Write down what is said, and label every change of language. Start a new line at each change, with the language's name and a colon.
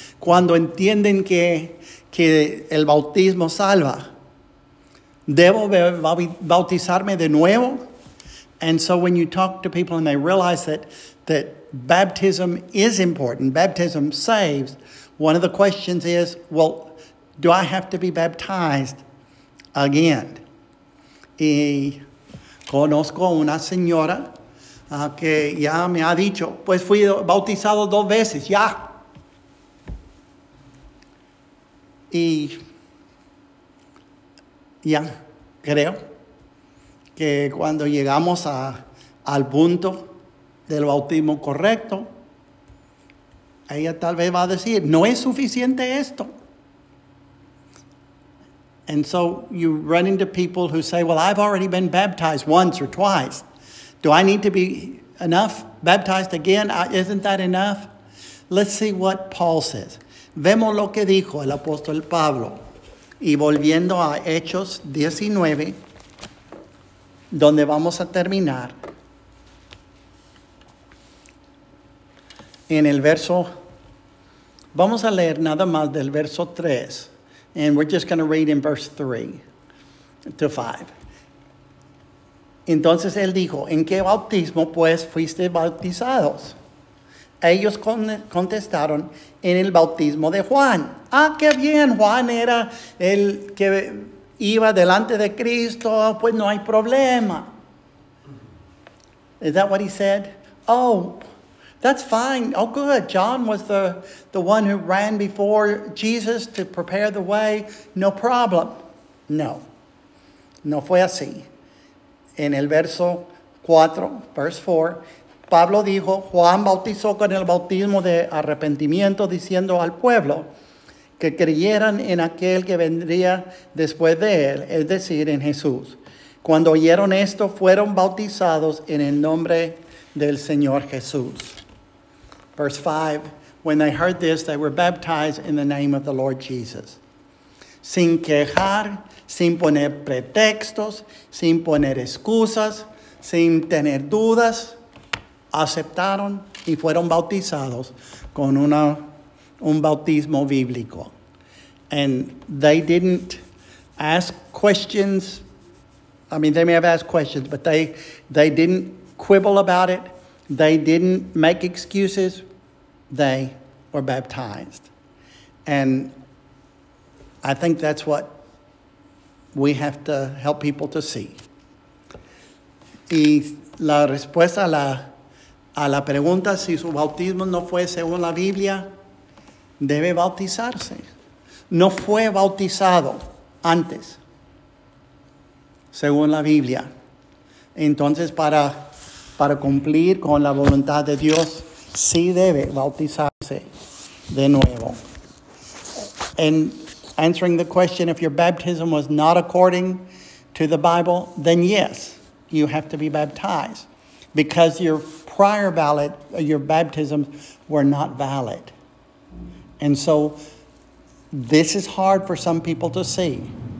Spanish: Cuando entienden que el bautismo salva, ¿debo bautizarme de nuevo?
English: And so when you talk to people and they realize that baptism is important, baptism saves, one of the questions is, well, do I have to be baptized again?
Spanish: Y conozco una señora que ya me ha dicho, pues fui bautizado dos veces, ya. Y ya creo que cuando llegamos al punto del bautismo correcto, ella tal vez va a decir, no es suficiente esto.
English: And so you run into people who say, well, I've already been baptized once or twice. Do I need to be enough baptized again? Isn't that enough? Let's see what Paul says.
Spanish: Vemos lo que dijo el apóstol Pablo. Y volviendo a Hechos 19, donde vamos a terminar. En el verso, vamos a leer nada más del verso 3.
English: And we're just going to read in verse 3 to 5.
Spanish: Entonces él dijo, ¿en qué bautismo pues fuiste bautizados? Ellos contestaron, en el bautismo de Juan. Ah, qué bien, Juan era el que iba delante de Cristo, pues no hay problema.
English: Is that what he said? Oh, that's fine. Oh, good. John was the one who ran before Jesus to prepare the way. No problem. No.
Spanish: No fue así. En el verso 4,
English: verse 4,
Spanish: Pablo dijo, Juan bautizó con el bautismo de arrepentimiento, diciendo al pueblo que creyeran en aquel que vendría después de él, es decir, en Jesús. Cuando oyeron esto, fueron bautizados en el nombre del Señor Jesús.
English: Verse 5, when they heard this, they were baptized in the name of the Lord Jesus.
Spanish: Sin quejar, sin poner pretextos, sin poner excusas, sin tener dudas, aceptaron y fueron bautizados con un bautismo bíblico.
English: And they didn't ask questions. I mean, they may have asked questions, but they didn't quibble about it. They didn't make excuses. They were baptized. And I think that's what we have to help people to see.
Spanish: Y la respuesta a la pregunta, si su bautismo no fue según la Biblia, debe bautizarse. No fue bautizado antes, según la Biblia. Entonces, para cumplir con la voluntad de Dios, sí debe bautizarse de nuevo.
English: En answering the question, if your baptism was not according to the Bible, then yes, you have to be baptized because your prior valid, your baptisms were not valid. And so this is hard for some people to see.